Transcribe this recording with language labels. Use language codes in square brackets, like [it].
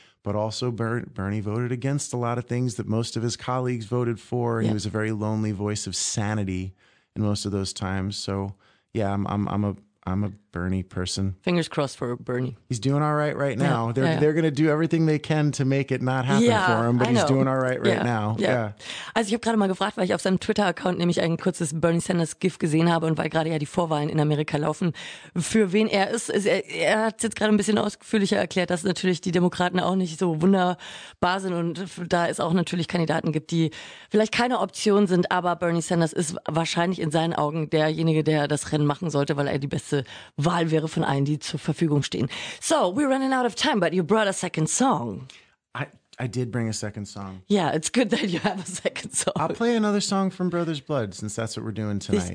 [en] But also Bernie voted against a lot of things that most of his colleagues voted for. And he was a very lonely voice of sanity in most of those times. So, yeah, I'm a Bernie person. Fingers crossed for Bernie. He's doing all right now. Yeah. They're going to do everything they can to make it not happen for him, but he's doing all right now. Yeah. [de] Also, ich habe gerade mal gefragt, weil ich auf seinem Twitter-Account nämlich ein kurzes Bernie Sanders-GIF gesehen habe und weil gerade ja die Vorwahlen in Amerika laufen, für wen er ist. Er hat jetzt gerade ein bisschen ausführlicher erklärt, dass natürlich die Demokraten auch nicht so wunderbar sind und da es auch natürlich Kandidaten gibt, die vielleicht keine Option sind, aber Bernie Sanders ist wahrscheinlich in seinen Augen derjenige, der das Rennen machen sollte, weil er die beste Wahl wäre von allen, die zur Verfügung stehen. [en] So, we're running out of time, but you brought a second song. I did bring a second song. Yeah, it's good that you have a second song. I'll play another song from Brothers Blood, since that's what we're doing tonight.